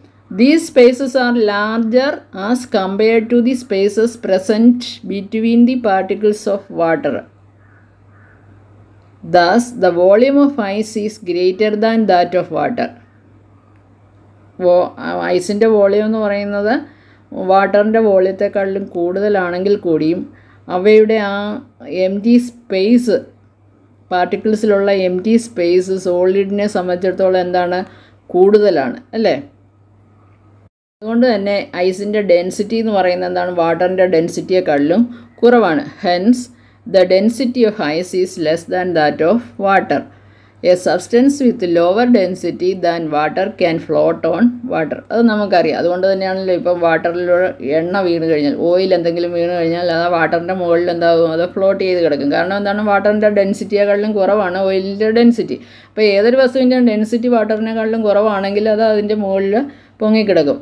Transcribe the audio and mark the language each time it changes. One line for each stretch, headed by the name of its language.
English: These spaces are larger as compared to the spaces present between the particles of water. Thus, the volume of ice is greater than that of water.
Malayalam: ഐസിൻ്റെ volume എന്ന് പറയുന്നത് വാട്ടറിൻ്റെ വോളിയത്തെക്കാളിലും കൂടുതലാണെങ്കിൽ കൂടിയും അവയുടെ ആ എംറ്റി space, പാർട്ടിക്കിൾസിലുള്ള എംറ്റി space സോളിഡിനെ സംബന്ധിച്ചിടത്തോളം എന്താണ്? കൂടുതലാണ് അല്ലേ. അതുകൊണ്ട് തന്നെ ഐസിൻ്റെ ഡെൻസിറ്റി എന്ന് പറയുന്നത് എന്താണ്? വാട്ടറിൻ്റെ ഡെൻസിറ്റിയെക്കാളിലും കുറവാണ്.
English: Hence The density of ice is less than that of water. A substance with lower density than water can float on water.
Malayalam: അത് നമുക്കറിയാം. അതുകൊണ്ട് തന്നെയാണല്ലോ ഇപ്പം വാട്ടറിലൂടെ എണ്ണ വീണ് കഴിഞ്ഞാൽ, ഓയിൽ എന്തെങ്കിലും വീണ് കഴിഞ്ഞാൽ അത് വാട്ടറിൻ്റെ മുകളിൽ എന്താകും? അത് ഫ്ലോട്ട് ചെയ്ത് കിടക്കും. കാരണം എന്താണ്? വാട്ടറിൻ്റെ ഡെൻസിറ്റിയെക്കാളിലും കുറവാണ് ഓയിലിൻ്റെ ഡെൻസിറ്റി. അപ്പോൾ ഏതൊരു വസ്തുവിൻ്റെ ഡെൻസിറ്റി വാട്ടറിനെക്കാളിലും കുറവാണെങ്കിൽ അത് അതിൻ്റെ മുകളിൽ പൊങ്ങിക്കിടക്കും.